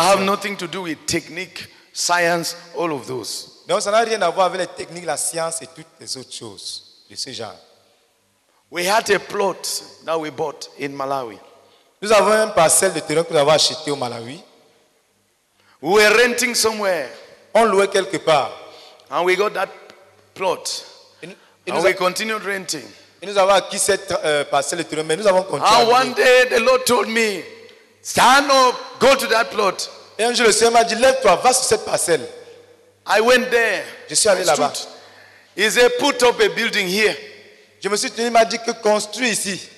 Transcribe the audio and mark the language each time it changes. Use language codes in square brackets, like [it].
[en] So I have nothing to do with technique, science, all of those. [fr] Donc ça n'a rien à voir avec les techniques, la science et toutes les autres choses de ce genre. [en] We had a plot that we bought in Malawi. [fr] Nous avons un parcelle de terrain que nous avons acheté au Malawi. [en] We were renting somewhere. [fr] On louait quelque part. [en] And we got that plot. And we continued renting. [fr] Et nous avons acquis cette parcelle de terrain, mais nous avons continué. [en] And one day the Lord told me, stand up, go to that plot. [fr] Et un jour le Seigneur m'a dit, lève-toi, va sur cette parcelle. [en] I went there. [fr] Je suis allé là-bas. [en] He said, put up a building here. [fr] Je me suis tenu, il m'a dit que construis ici.